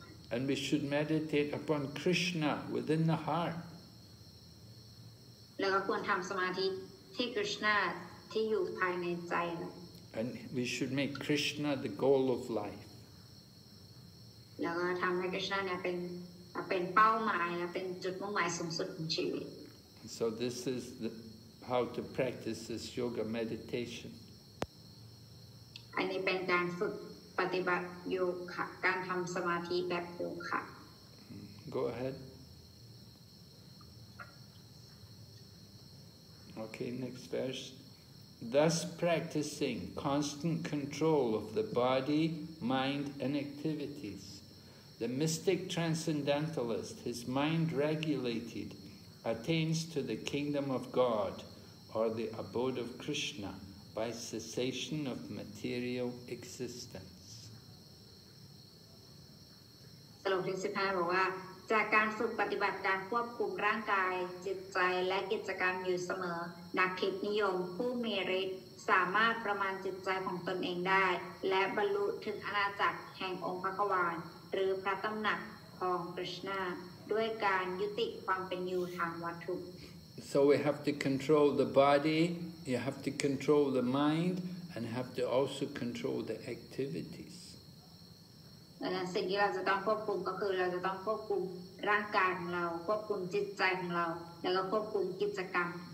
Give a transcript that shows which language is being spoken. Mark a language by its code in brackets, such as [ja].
[en] And we should meditate upon Krishna within the heart. And we should make Krishna the goal of life. [th] แล้วก็ทำให้กฤษณะเนี่ยเป็นเป้าหมายและเป็นจุดมุ่งหมายสูงสุดของชีวิต [en] So this is how to practice this yoga meditation. [th] อันนี้เป็นการฝึกปฏิบัติโยคะการทำสมาธิแบบโยคะ [en] Go ahead. Okay, next verse. Thus practicing constant control of the body, mind, and activities. The mystic transcendentalist, his mind regulated, attains to the kingdom of God, or the abode of Krishna, by cessation of material existence. [th] สรุปที่15บอกว่าจากการฝึกปฏิบัติการควบคุมร่างกายจิตใจและกิจกรรมอยู่เสมอนักคิดนิยมผู้มีฤทธิ์สามารถประมาณจิตใจของตนเองได้และบรรลุถึงอาณาจักรแห่งองค์พระกวานหรือพระตำหนักของกฤษณะด้วยการยุติความเป็นอยู่ทางวัตถุ [en] So we have to control the body you have to control the mind and have to also control the activities [th] สิ่งที่เราจะต้องควบคุมก็คือเราจะต้องควบคุมร่างกายของเราควบคุมจิตใจของเราแล้วก็ควบคุมกิจกรรม